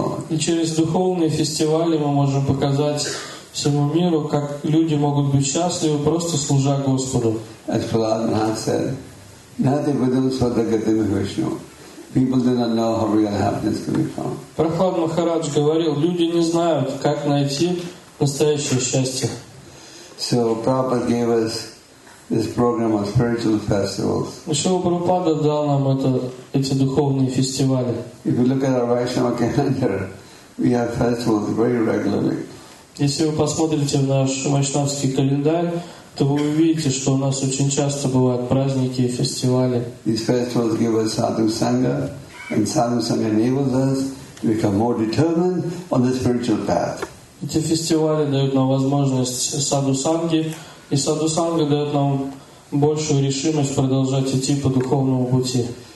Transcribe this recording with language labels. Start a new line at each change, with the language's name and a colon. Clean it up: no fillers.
Russian: И через духовные фестивали мы можем показать всему миру, как люди могут быть счастливы, просто служа Господу.
English: As Prahlad Maharaj said,
Sanskrit: Nati Vidam Svatagatim Vishnu.
English: People do not know how real happiness can be found.
Russian: Прахлад Махарадж говорил, люди не знают, как найти настоящее счастье.
English: So Prabhupada gave us this program of spiritual festivals.
Russian: Шрила Прабхупада дал нам эти духовные фестивали.
English: If you look at our Vaishnava calendar, we have festivals very regularly.
Russian: Если вы посмотрите в наш вайшнавский календарь, то вы увидите, что у нас очень часто бывают праздники и фестивали.
English: These festivals give us sadhu sangha, and sadhu sangha enables us to become more determined on the spiritual path.
Russian: Эти фестивали дают нам возможность саду санги. И саду-санга дает нам большую решимость продолжать идти по духовному пути.